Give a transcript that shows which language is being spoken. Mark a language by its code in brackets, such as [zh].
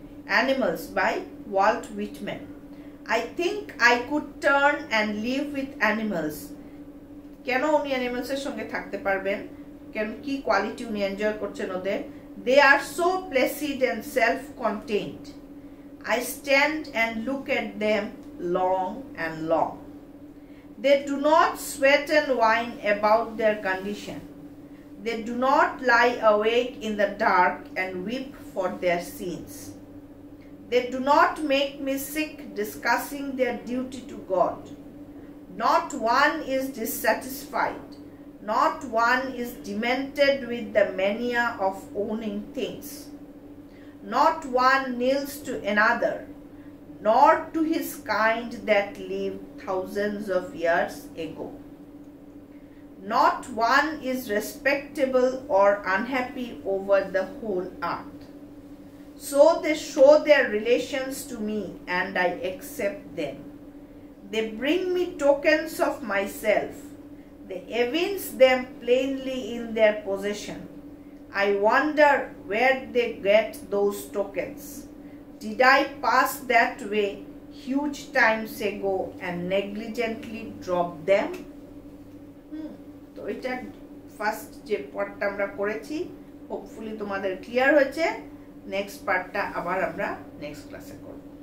[en] animals by Walt Whitman I think I could turn and live with animals [bn] কেন উনি অ্যানিমালসের সঙ্গে থাকতে পারবেন কেন কি কোয়ালিটি উনি এনজয় করছেন ওদের [en] They are so placid and self contained I stand and look at them long and long they do not sweat and whine about their condition They do not lie awake in the dark and weep for their sins. They do not make me sick discussing their duty to God. Not one is dissatisfied. Not one is demented with the mania of owning things. Not one kneels to another, nor to his kind that lived thousands of years ago. Not one is respectable or unhappy over the whole earth. So they show their relations to me and I accept them. They bring me tokens of myself. They evince them plainly in their possession. I wonder where they get those tokens. Did I pass that way huge times ago and negligently dropped them. [bn] তো এটা first যে পার্টটা আমরা করেছি hopefully তোমাদের clear হয়েছে next পার্টটা আবার আমরা নেক্সট ক্লাসে করব